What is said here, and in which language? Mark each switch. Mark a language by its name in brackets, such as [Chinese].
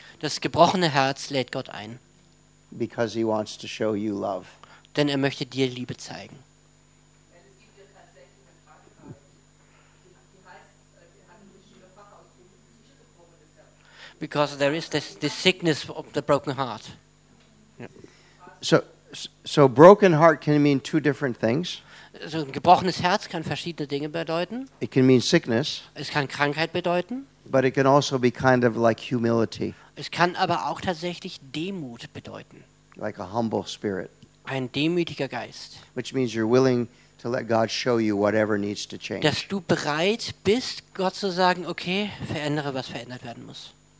[German] Das gebrochene Herz lädt Gott ein. [English] Because he wants to show you love. [German] Denn er möchte dir Liebe zeigen. [English] Because there is this sickness of the broken heart. So broken heart can mean two different things. [German] So ein gebrochenes Herz kann verschiedene Dinge bedeuten. [English] It can mean sickness. [German] Es kann Krankheit bedeuten. [English] But it can also be kind of like humility. [German] Es kann aber auch tatsächlich Demut bedeuten. [English] Like a humble spirit. [German] Ein demütiger Geist. [English] Which means you're willing to let God show you whatever needs to change. [German] Dass du bereit bist, Gott zu sagen, okay, verändere, was verändert werden muss.